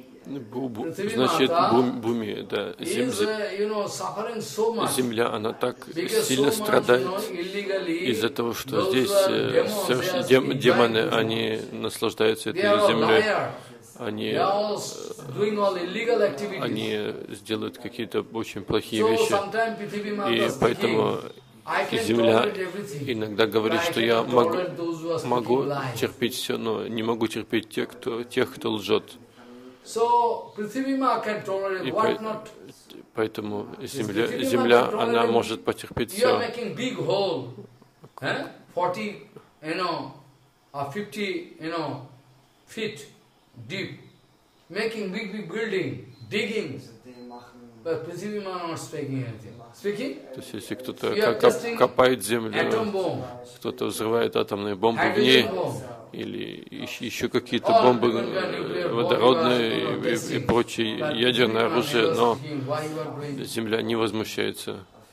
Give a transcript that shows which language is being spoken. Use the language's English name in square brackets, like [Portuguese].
[Russian] Значит, бхуми, да, земля, она так сильно страдает из-за того, что здесь демоны, они наслаждаются этой землей, они сделают какие-то очень плохие вещи, и поэтому земля иногда говорит, что я могу терпеть все, но не могу терпеть тех, кто лжет. [English] So, Prithivima can tolerate what not? [Russian] Поэтому земля, она может потерпеть все. [English] You are making big hole, 40, you know, or 50, you know, feet deep, making big building, digging. But Prithivima not speaking anything. [Russian] То есть если кто-то копает землю, кто-то взрывает атомные бомбы в ней, или еще какие-то бомбы водородные и прочее ядерное оружие, но земля не возмущается.